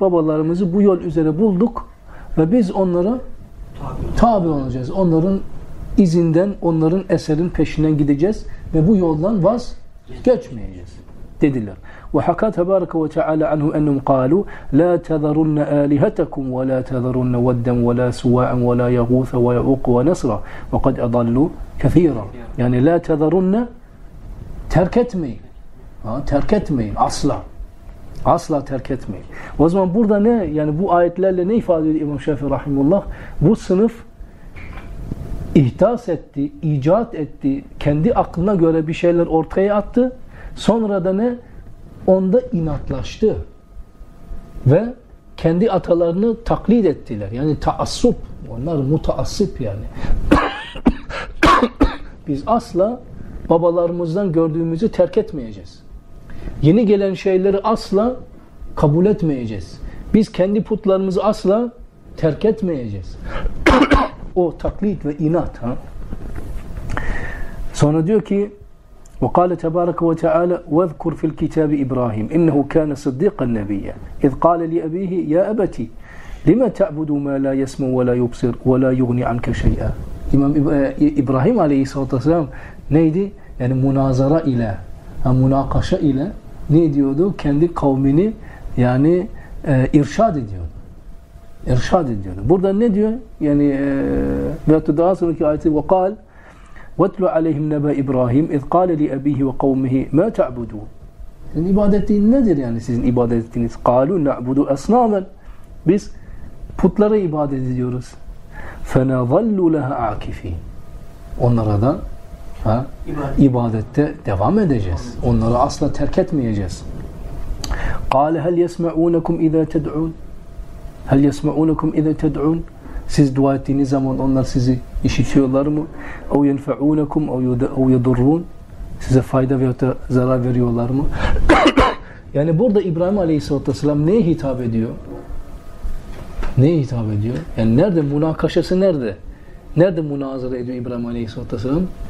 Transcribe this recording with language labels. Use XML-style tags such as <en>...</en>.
<tr>Babalarımızı bu yol üzere bulduk ve biz onlara tabi olacağız. Onların izinden, onların eserin peşinden gideceğiz ve bu yoldan vazgeçmeyeceğiz dediler.</tr> <ar>وَحَكَى تَبَارَكَ وَتَعَالَى عَنْهُمْ اَنُّمْ قَالُوا لَا تَذَرُنَّ آلِهَتَكُمْ وَلَا تَذَرُنَّ وَدَّمْ وَلَا سُوَاعًا وَلَا يَغُوثَ وَيَعُوقُ وَنَصْرًا وَقَدْ اَضَلُّوا كَثِيرًا Yani لَا تَذَرُنَّ</ar> <tr>terk etmeyin. Terk etmeyin asla. Asla terk etmeyin. O zaman burada ne? Yani bu ayetlerle ne ifade ediyor İmam Şafii Rahimullah? Bu sınıf ihdas etti, icat etti, kendi aklına göre bir şeyler ortaya attı. Sonra da ne? Onda inatlaştı. Ve kendi atalarını taklit ettiler. Yani taassup. Onlar mutaassip yani. Biz asla babalarımızdan gördüğümüzü terk etmeyeceğiz. Yeni gelen şeyleri asla kabul etmeyeceğiz. Biz kendi putlarımızı asla terk etmeyeceğiz. O taklit ve inat. Ha? Sonra diyor ki</tr> <ar>وَقَالَ تَبَارَكَ وَتَعَالَى وَذْكُرْ فِي الْكِتَابِ إِبْرَاهِيمِ اِنَّهُ كَانَ صِدِّقَ النَّبِيَّ اِذْ قَالَ لِأَبِيهِ يَا أَبَتِي لِمَ تَعْبُدُ مَا لَا يَسْمُ وَلَا يُبْصِرْ وَلَا يُغْنِ عَنْكَ شَيْئًا</ar> <tr>İmam İbrahim Aleyhisselatü Vesselam neydi? Yani münazara ile, yani münakaşa ile ne diyordu? Kendi kavmini yani irşad ediyordu. İrşad ediyordu. Burada ne diyor? Yani veyahut da daha sonraki ayeti</tr> <ar>وَقَالْ وَتْلُ عَلَيْهِمْ نَبَى إِبْرَاهِيمْ اِذْ قَالَ لِأَب۪يهِ وَقَوْمِهِ مَا تَعْبُدُونَ</ar> <tr>yani, İbadet din nedir yani sizin ibadet ettiğiniz?</tr> <ar>قَالُوا نَعْبُدُوا أَسْنَامًا</ar> <tr>Biz putlara ibadet ediyoruz.</tr> <ar>فَنَظَلُّ لَهَا عَاكِف۪ينَ</ar> <tr>Onlara da ibadette devam edeceğiz. Onları asla terk etmeyeceğiz.</tr> <ar>قَالَ هَلْ يَسْمَعُونَكُمْ اِذَا تَدْعُونَ هَلْ يَسْمَعُونَكُمْ اِذَا تَدْعُونَ</ar> <tr>Siz dua ettiğiniz zaman onlar sizi işitiyorlar mı?</tr> <ar>اَوْ يَنْفَعُونَكُمْ اَوْ يَدُرُّونَ</ar> <tr>Size fayda veya da zarar veriyorlar mı? Yani burada İbrahim Aleyhisselatü Vesselam neye hitap ediyor? Neye hitap ediyor? Yani nerede? Münakaşası nerede? Nerede münazara ediyor İbrahim Aleyhisselatü Vesselam?</tr>